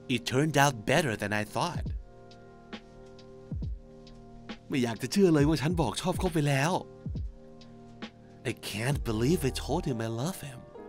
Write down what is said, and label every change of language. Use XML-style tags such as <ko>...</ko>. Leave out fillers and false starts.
<en>It turned out better than I thought.</en> <th>ไม่อยากจะเชื่อเลยว่าฉันบอกชอบเขาไปแล้ว</th> <en>I can't believe I told him I love him.</en>